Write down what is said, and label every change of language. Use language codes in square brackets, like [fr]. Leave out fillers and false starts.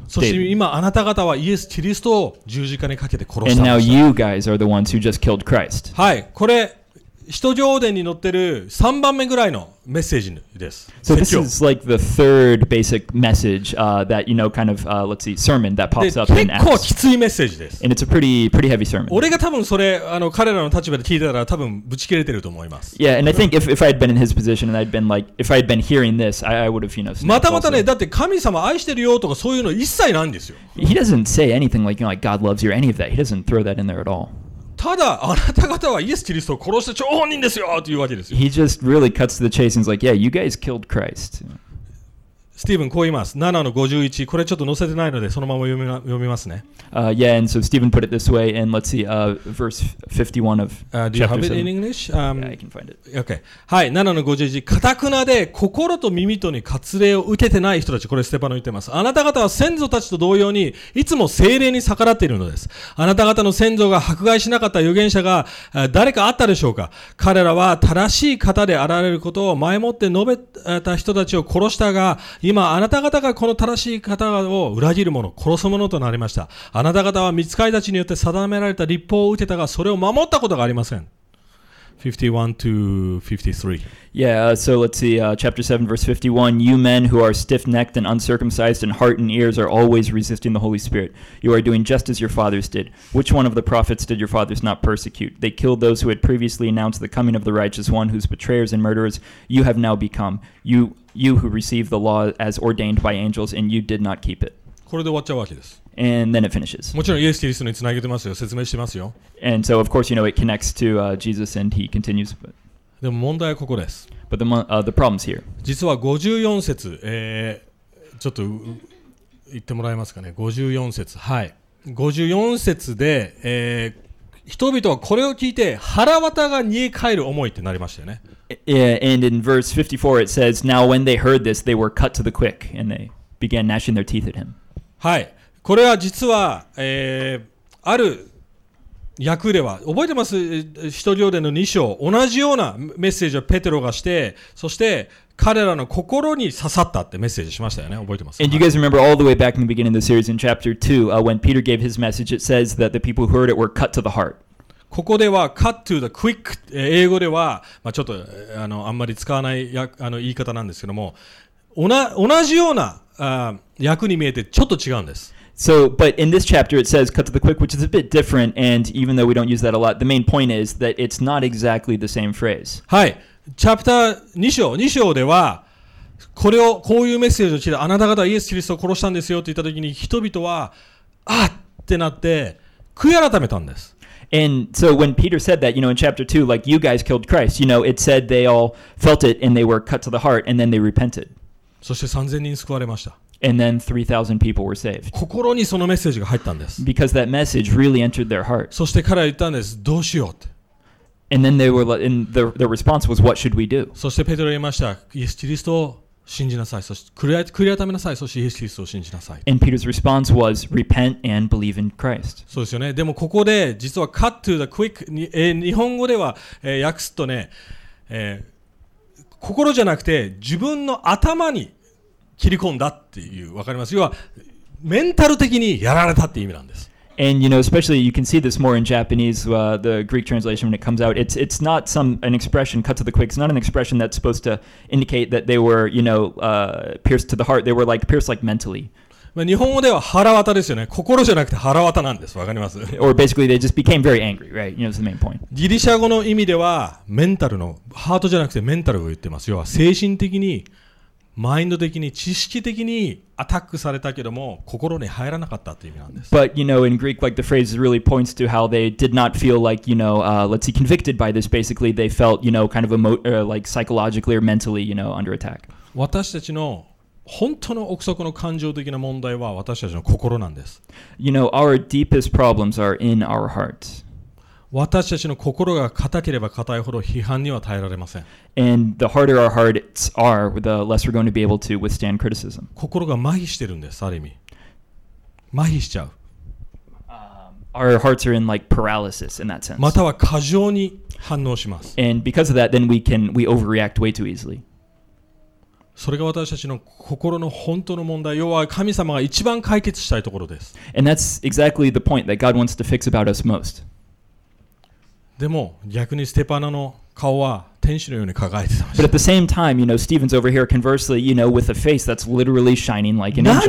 [ja] そして今あなた方はイエス・キリストを十字架にかけて殺したんです。 [en] And now you guys are the ones who just killed Christ. [ja] はい、これ使徒行伝に載ってる3番目ぐらいのメッセージです。 [en] So this is like the third basic message that you know kind of let's see sermon that pops up in Acts. [ja] 結構きついメッセージです。 [en] And it's a pretty heavy sermon. [ja] 俺が多分それあの彼らの立場で聞いたら多分ぶち切れてると思います。 [en] Yeah, and I think if I had been in his position and I'd been like if I had been hearing this, I would have you know. [ja] またまたね、だって神様愛してるよとかそういうの一切ないんですよ。 [en] He doesn't say anything like you know like God loves you or any of that. He doesn't throw that in there at all. [ja] ただあなた方はイエス・キリストを殺した張本人ですよというわけですよ。 [en] He just really cuts to the chase and is like, yeah, you guys killed Christ. [ja] スティーブンこう言います。7の51、これちょっと載せてないので、そのまま読みますね。 [en] Yeah, and so Stephen put it this way, and let's see, verse 51 of do you have it in English? Yeah, I can find it. Okay. [ja] はい、7の51、かたくなで心と耳とに割礼を受けてない人たち、これステパノ言ってます。あなた方は先祖たちと同様に、いつも聖霊に逆らっているのです。あなた方の先祖が迫害しなかった預言者が、誰かあったでしょうか？彼らは正しい方であられることを前もって述べた人たちを殺したが、今あなた方がこの正しい方を裏切る者、殺す者となりました。あなた方は御使いたちによって定められた律法を受けたが、それを守ったことがありません。 [en] 51 to 53. Yeah, so let's see, chapter 7, verse 51. You men who are stiff-necked and uncircumcised in heart and ears are always resisting the Holy Spirit. You are doing just as your fathers did. Which one of the prophets did your fathers not persecute? They killed those who had previously announced the coming of the righteous one, whose betrayers and murderers you have now become. You who received the law as ordained by angels, and you did not keep it. [ja] これで終わっちゃうわけです。 [en] And then it finishes. [ja] もちろんイエス・キリストにつなげてますよ。説明してますよ。 [en] And so, of course, you know, it connects to Jesus and he continues. But... [ja] でも問題はここです。 [en] But the problem's here. [ja] 実は54節、ちょっと言ってもらえますかね。54節。はい。 54節で、人々はこれを聞いて腹渡が煮え返る思いってなりましたよね。 [en] And in verse 54 it says, Now when they heard this, they were cut to the quick and they began gnashing their teeth at him. [ja] はい、これは実は、ある訳では覚えてます、使徒行伝の2章、同じようなメッセージをペテロがして、そして彼らの心に刺さったってメッセージしましたよね、覚えてます。 [en] And you guys remember all the way back in the beginning of the series in chapter 2、when Peter gave his message, it says that the people who heard it were cut to the heart. [ja] ここでは [en] cut to the quick、 [ja] 英語では、まあ、ちょっと あんまり使わない言い方なんですけども、同じような役に見えてちょっと違うんです。 [en] So, but in this chapter it says cut to the quick, which is a bit different, and even though we don't use that a lot, the main point is that it's not exactly the same phrase. [ja] はい。チャプター2章、2章では、これを、こういうメッセージを聞いて、あなた方はイエス・キリストを殺したんですよって言ったときに、人々は、あっ！ってなって、悔い改めたんです。 [en] And so when Peter said that, you know, in chapter 2, like, you guys killed Christ, you know, it said they all felt it and they were cut to the heart and then they repented. [ja] そして3000人救われました。 [en] And then 3,000 people were saved. [ja] 心にそのメッセージが入ったんです。 [en] Because that message really entered their heart. [ja] そして彼は言ったんです。どうしようって。 [en] And then they were like, and the response was, what should we do? [ja] そしてペテロ言いました。イエス・キリストを信じなさい。そして悔い改めなさい。そしてイエス・キリストを信じなさい。 [en] And Peter's response was, repent and believe in Christ. [ja] そうですよね。でもここで実は [en] cut to the quick [ja] に、日本語では、訳すとね、心じゃなくて自分の頭に切り込んだっていう、わかります。要はメンタル的にやられたっていう意味なんです。 [en] And you know, especially you can see this more in Japanese, the Greek translation when it comes out. It's not an expression cut to the quick. It's not an expression that's supposed to indicate that they were, you know, pierced to the heart. They were like pierced like mentally. [ja] まあ、日本語では腹渡ですよね。心じゃなくて腹渡なんです。わかります。 [en] Or basically they just became very angry, right? You know, the main point. [ja] ギリシャ語の意味ではメンタルの、ハートじゃなくてメンタルを言ってます。要は精神的に、マインド的に、知識的にアタックされたけども、心に入らなかったという意味なんです。 [en] But you know, in Greek, like the phrase really points to how they did not feel like, you know, let's see, convicted by this. Basically, they felt, you know, kind of like psychologically or mentally, you know, under attack. [ja] 私たちの本当の奥底の感情的な問題は私たちの心なんです。 [en] You know, our deepest problems are in our hearts. [ja] 私たちの心が硬ければ硬いほど批判には耐えられません。 [en] And the harder our hearts are, the less we're going to be able to withstand criticism. [ja] 心が麻痺してるんです、ある意味。麻痺しちゃう。 [en] Our hearts are in like paralysis in that sense. [ja] または過剰に反応します。 [en] And because of that, then we overreact way too easily. [ja] それが私たちの心の本当の問題、要は神様が一番解決したいところです。 [en] And that's exactly the point that God wants to fix about us most. [ja] でも逆にステパノの顔は天使のように輝いてました。 [en] But at the same time, you know, Stephen's over here conversely, you know, with a face that's literally shining like an angel.